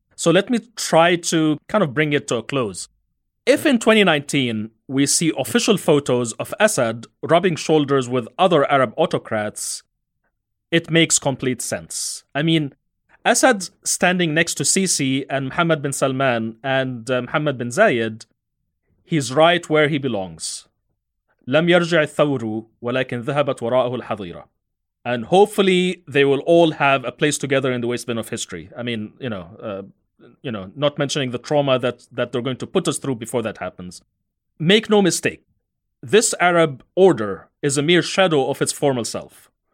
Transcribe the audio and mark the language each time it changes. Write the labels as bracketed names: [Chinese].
[English] So let me try to kind of bring it to a close. If in 2019 we see official photos of Assad rubbing shoulders with other Arab autocrats, it makes complete sense. I mean, Assad standing next to Sisi and Mohammed bin Salman and Mohammed bin Zayed, he's right where he belongs. [Arabic] لم يرجع الثور ولكن ذهبت وراءه الحظيرة. [English] And hopefully they will all have a place together in the waste bin of history. I mean, you know, not mentioning the trauma that they're going to put us through before that happens. Make no mistake, this Arab order is a mere shadow of its former self.